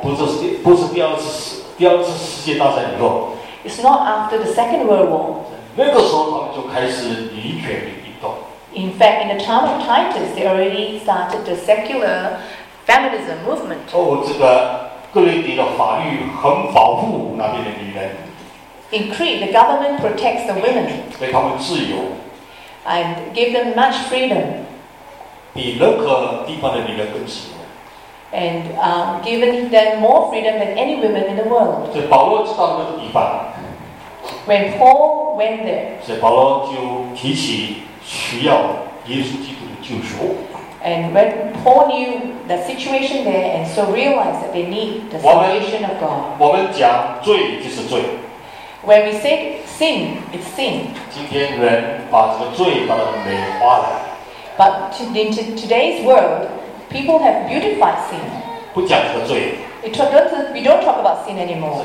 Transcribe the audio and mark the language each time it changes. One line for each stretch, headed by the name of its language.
Chinese: 不是第二次世界大战以后。
English: It's not after the Second World War.
Chinese: 那个时候他们就开始离权运动。
English: In fact, in the time of Titus, they already started the secular feminism movement.
Chinese: 哦，这个格雷迪的法律很保护那边的女人。
English: In Crete, the government protects the women.
Chinese: 给他们自由。
English: And give them much freedom.
Chinese: 比任何地方的女人更自由。
English: And given them more freedom than any women in the world.
Chinese: 所以保罗知道那个地方。
English: When Paul went there.
Chinese: 所以保罗就提起需要耶稣基督的救赎。
English: And when Paul knew the situation there, and so realized that they need the salvation of God.
Chinese: 我们讲罪就是罪。
English: When we say sin, it's sin.
Chinese: 今天人把这个罪把它美化了。
English: But in today's world, people have beautified sin.
Chinese: 不讲这个罪。
English: We don't talk about sin anymore.